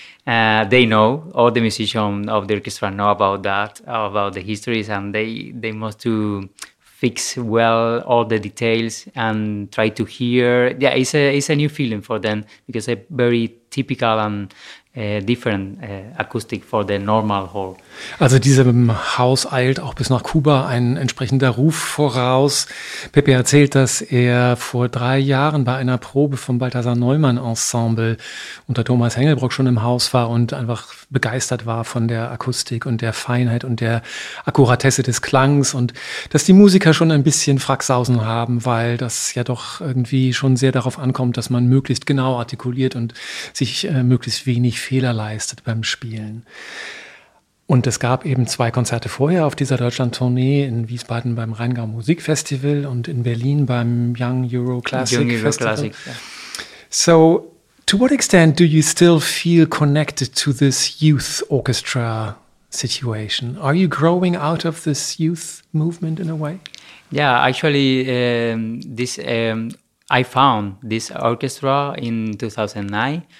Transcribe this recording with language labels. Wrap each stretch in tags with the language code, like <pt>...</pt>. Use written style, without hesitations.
<en>They know, all the musicians of the orchestra know about that, about the histories, and they must to fix well all the details and try to hear. Yeah, it's a new feeling for them because it's very typical and different Akustik for the normal hall.</en> <de>Also diesem Haus eilt auch bis nach Kuba ein entsprechender Ruf voraus. Pepe erzählt, dass er vor 3 Jahren bei einer Probe vom Balthasar Neumann Ensemble unter Thomas Hengelbrock schon im Haus war und einfach begeistert war von der Akustik und der Feinheit und der Akkuratesse des Klangs und dass die Musiker schon ein bisschen Fracksausen haben, weil das ja doch irgendwie schon sehr darauf ankommt, dass man möglichst genau artikuliert und sich möglichst wenig nicht Fehler leistet beim Spielen. Und es gab eben 2 Konzerte vorher auf dieser Deutschland-Tournee in Wiesbaden beim Rheingau Musikfestival und in Berlin beim Young Euro Classic Young Euro Festival.</de> <en>Classic, yeah. So, to what extent do you still feel connected to this youth orchestra situation? Are you growing out of this youth movement in a way? Yeah, actually, I found this orchestra in 2009.</en>